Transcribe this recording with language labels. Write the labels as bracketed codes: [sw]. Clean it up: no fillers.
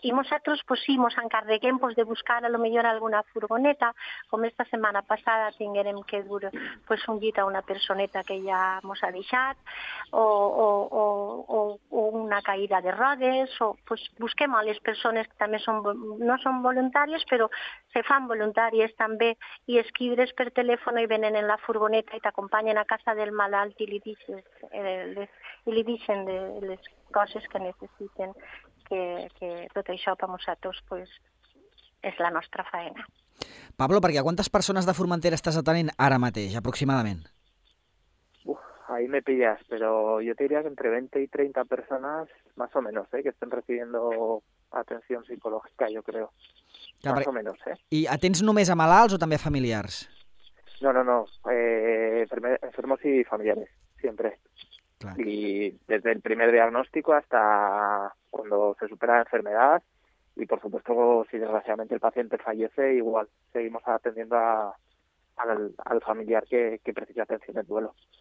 [ca] I nosaltres, pues, sí, ens encarreguem, pues, de buscar a lo millor alguna furgoneta, com esta setmana passada tinguérem que dur, pues, un llit a una personeta que ja ens ha deixat, o una caïda de rodes, o pues, busquem a les persones que també són, no són voluntàries, però se fan voluntàries també, i escribes per telèfon i venen en la furgoneta i t'acompanyen a casa del malalt i li dices... i li deixen de les coses que necessiten, que tot això per nosaltres, pues, és la nostra feina. Pablo, perquè quantes persones de Formentera estàs atenent ara mateix, aproximadament? [es] Ahí me pillas, pero yo te diría que entre 20 y 30 personas, más o menos, que estén recibiendo atención psicológica, yo creo. Claro, más o menos, ¿eh? [ca] I atens només a malalts o també a familiars? [es] No. Enfermos y familiares, siempre. Claro. Y desde el primer diagnóstico hasta cuando se supera la enfermedad, y por supuesto, si desgraciadamente el paciente fallece, igual seguimos atendiendo al familiar que precisa atención del duelo.